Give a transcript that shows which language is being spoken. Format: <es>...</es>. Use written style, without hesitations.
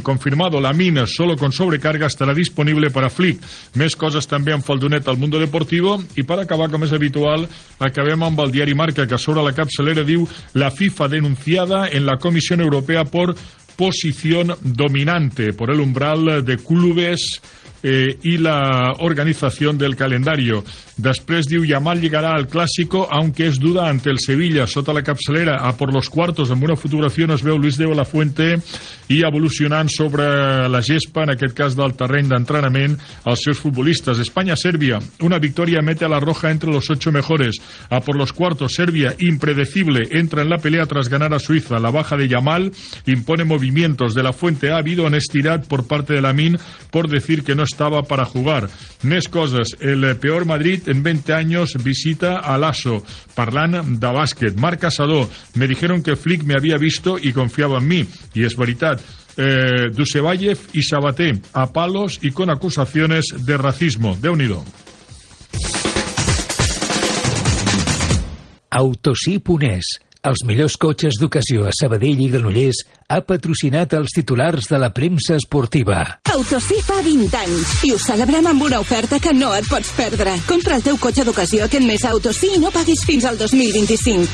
<es>Confirmado, Lamine, solo con sobrecarga, estará disponible para Flick.</es> <ca>Més coses també en Faldonet al Mundo Deportivo. I per acabar, com és habitual, acabem acabem amb el diari Marca, que sobre la capçalera diu:</ca> <es>la FIFA denunciada en la Comissió Europea por posición dominante, por el umbral de clubes y la organización del calendario.</es> <ca>Després diu:</ca> <es>Yamal llegará al clàssico, aunque es duda ante el Sevilla.</es> <ca>Sota la capçalera,</ca> <es>a por los cuartos,</es> <ca>amb una fotografia, es veu Luis de la Fuente i evolucionant sobre la gespa, en aquest cas del terreny d'entrenament, als seus futbolistes.</ca> <es>España-Sèrbia, una victòria mete a la Roja entre los ocho mejores. A por los cuartos, Sèrbia, impredecible, entra en la pelea tras ganar a Suiza. La baja de Yamal impone movimientos. De la Fuente: ha habido honestidad por parte de Lamin por decir que no estaba para jugar.</es> <ca>Més coses:</ca> <es>el peor Madrid en 20 años visita a Lasso.</es> <ca>Parlant de bàsquet,</ca> <es>Marc Casador: me dijeron que Flick me había visto y confiaba en mí, y es veritat. Dusevallef y Sabaté a palos y con acusaciones de racismo.</es> <ca>Déu-n'hi-do. Autosip Unés, els millors cotxes d'ocasió a Sabadell i Granollers, ha patrocinat els titulars de la premsa esportiva. Autosí fa 20 anys i ho celebrem amb una oferta que no et pots perdre. Compra el teu cotxe d'ocasió aquest mes a Autosí i no paguis fins al 2025.</ca>